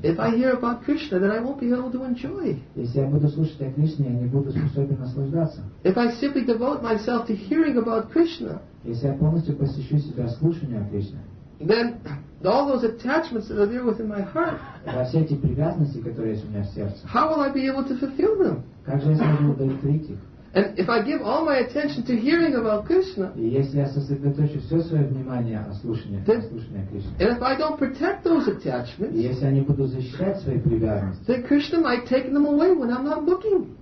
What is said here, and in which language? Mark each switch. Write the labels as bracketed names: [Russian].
[English] If I hear about Krishna, then I won't be able to enjoy. [Russian] Если я буду слушать о Кришне, я не буду способен наслаждаться. [English] If I simply devote myself to hearing about Krishna, [Russian] если я полностью посвящу себя слушанию о Кришне, [English] then all those attachments that are there within my heart, [Russian] все эти привязанности, которые есть у меня в сердце, [English] how will I be able to fulfill them? [Russian] Как же я смогу удовлетворить их? [English] And if I give all my attention to hearing about Krishna, [Russian] если я сосредоточу все свое внимание на слушании Кришны, [English] and if I don't protect those attachments, [Russian] если я не буду защищать свои привязанности, [English] then Krishna might take them away when I'm not looking.